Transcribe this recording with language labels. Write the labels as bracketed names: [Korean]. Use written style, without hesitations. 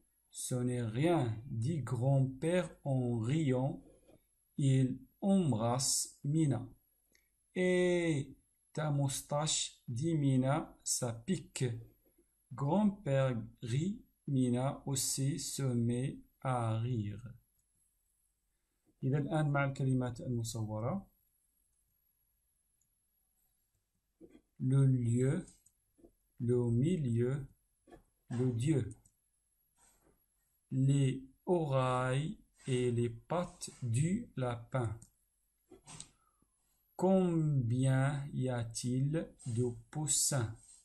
[French] Ce n'est rien, dit grand-père en riant. Il embrasse Mina. Et Ta moustache dit Mina, ça pique. Grand-père rit, Mina aussi se met à rire. [Arabic] إذا الآن مع الكلمات المصورة. [French] Le lieu, le milieu, le dieu. Les oreilles et les pattes du lapin. Combien y a-t-il de poussins?